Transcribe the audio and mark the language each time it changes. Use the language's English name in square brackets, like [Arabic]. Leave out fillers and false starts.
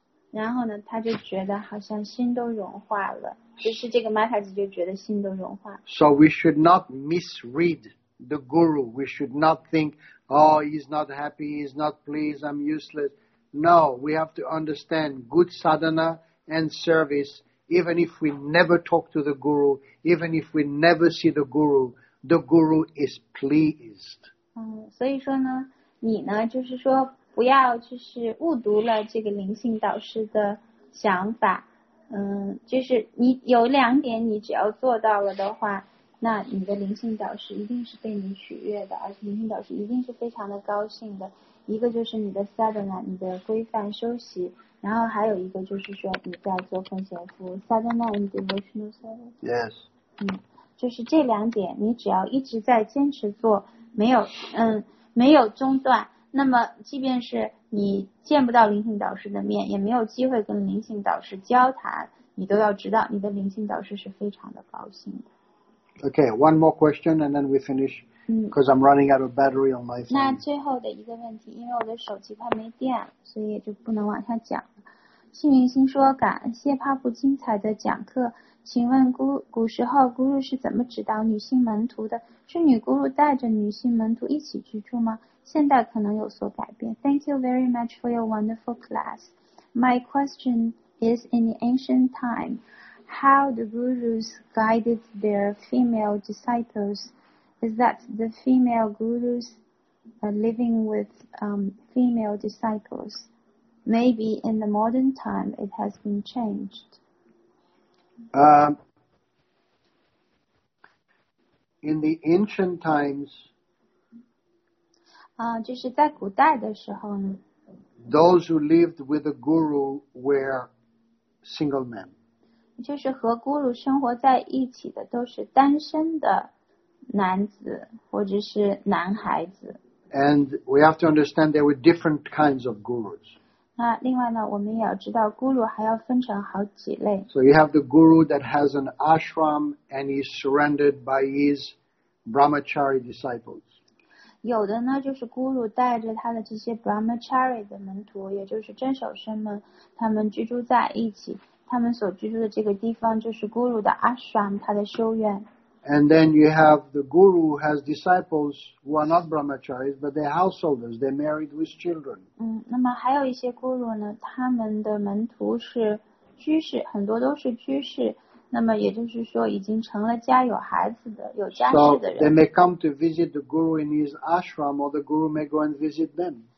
[Chinese] 然后呢，她就觉得好像心都融化了，就是这个 Mataji 就觉得心都融化。 [English] So we should not misread the guru. We should not think, oh, he's not happy, he's not pleased, I'm useless. No, we have to understand good sadhana and service, even if we never talk to the guru, even if we never see the guru,The guru is pleased. [Chinese] 所以说呢，你呢，就是说不要就是误读了这个灵性导师的想法。就是你有两点，你只要做到了的话，那你的灵性导师一定是被你取悦的，而且灵性导师一定是非常的高兴的。一个就是你的 sadhana， 你的规范修习，然后还有一个就是说你在做奉献服务 ， [English] sadhana and devotional service. Yes. [Chinese] 就是这两点，你只要一直在坚持做，没有中断，那么即便是你见不到灵性导师的面，也没有机会跟灵性导师交谈，你都要知道你的灵性导师是非常的高兴的。 [English] Okay, one more question and then we finish, because I'm running out of battery on my phone. [Chinese] 那最后的一个问题，因为我的手机快没电了，所以也就不能往下讲了。幸运星说，感谢帕布精彩的讲课，请问古时候咕噜是怎么指导女性门徒的？是女咕噜带着女性门徒一起居住吗？现在可能有所改变。 [English] Thank you very much for your wonderful class. My question is, in the ancient time, how the gurus guided their female disciples? Is that the female gurus living with female disciples? Maybe in the modern time, it has been changed. In the ancient times, [Chinese] 就是在古代的时候呢， [English] those who lived with a guru were single men. [Chinese] 就是和 guru 生活在一起的都是单身的男子或者是男孩子。 [English] And we have to understand there were different kinds of gurus. [Chinese] 那另外呢，我们也要知道 guru 还要分成好几类。 [English] So you have the guru that has an ashram and is surrounded by his brahmachari disciples. [Chinese] 有的呢，就是 guru 带着他的这些 brahmachari 的门徒，也就是真守生们，他们居住在一起，他们所居住的这个地方就是 guru 的 ashram， 他的修院。 [English] And then you have the guru who has disciples who are not brahmacharis, but they're householders, they're married with children. [Chinese] 那么还有一些 guru 呢，他们的门徒是居士，很多都是居士。那么也就是说，已经成了家有孩子的、有家室的人。 [English] So they may come to visit the guru in his ashram, or the guru may go and visit them.